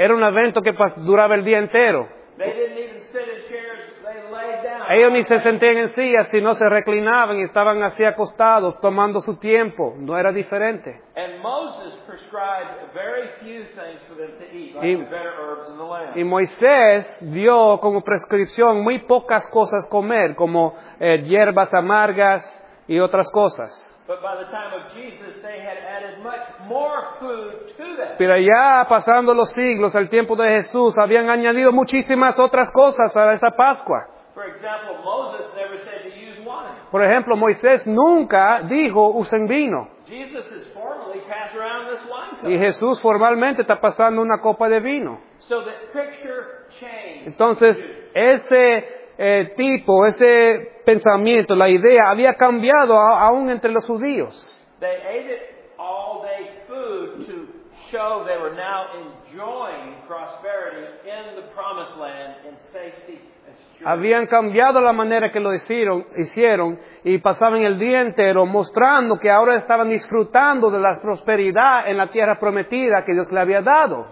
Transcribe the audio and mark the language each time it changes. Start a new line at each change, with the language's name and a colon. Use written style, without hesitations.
Spanish: Era un evento que duraba el día entero.
English: They didn't even sit in chairs, they laid down.
Spanish: Ellos ni se sentían en sillas, sino se reclinaban y estaban así acostados, tomando su tiempo. No era diferente.
English: And Moses prescribed very few things for them to eat, like the better herbs and the lamb.
Spanish: Y Moisés dio como prescripción muy pocas cosas comer, como hierbas amargas y otras cosas.
English: But by the time of Jesus, they had added much more food to that.
Spanish: Pero ya pasando los siglos, al tiempo de Jesús, habían añadido muchísimas otras cosas a esa Pascua.
English: For example, Moses never said to use wine.
Spanish: Por ejemplo, Moisés nunca dijo usen vino.
English: Jesus is formally passing around this wine cup.
Spanish: Y Jesús formalmente está pasando una copa de vino.
English: So the picture changed.
Spanish: Entonces, ese tipo, ese pensamiento, la idea había cambiado aún entre los judíos.
English: They ate it all day food to show they were now enjoying prosperity in the promised land in safety and security.
Spanish: Habían cambiado la manera que lo hicieron y pasaban el día entero mostrando que ahora estaban disfrutando de la prosperidad en la tierra prometida que Dios le había dado.